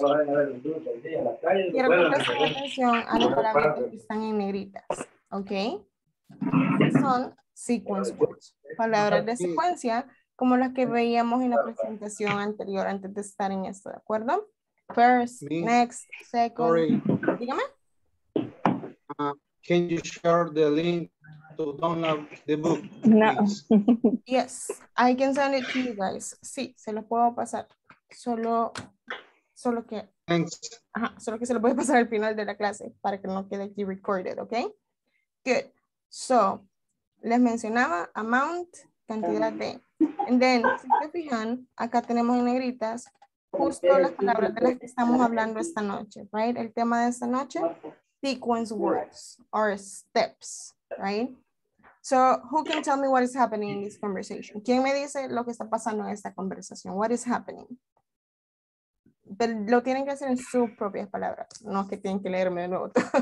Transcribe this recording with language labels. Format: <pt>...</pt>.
<es>Quiero que presten atención a las palabras que están en negritas, okay? Son sequence words. Palabras de secuencia, como las que veíamos en la presentación anterior antes de estar en esto, ¿de acuerdo?</es> <en>First, me, next, second. Sorry.</en> <es>Dígame.</es> <en>Can you share the link to download the book? No. Yes, I can send it to you guys.</en> <es>Sí, se lo puedo pasar. Solo que...</es> <en>Thanks.</en> <es>Ajá, solo que se lo voy a pasar al final de la clase para que no quede aquí recorded, ¿ok? Good. So, les mencionaba amount, cantidad de... And then, si te fijan, acá tenemos en negritas justo las palabras de las que estamos hablando esta noche, right? El tema de esta noche, sequence words or steps, right?</es> <en>So, who can tell me what is happening in this conversation?</en> <es>¿Quién me dice lo que está pasando en esta conversación?</es> <en>What is happening?</en> <es>Pero lo tienen que hacer en sus propias palabras, no que tienen que leerme de nuevo.</es>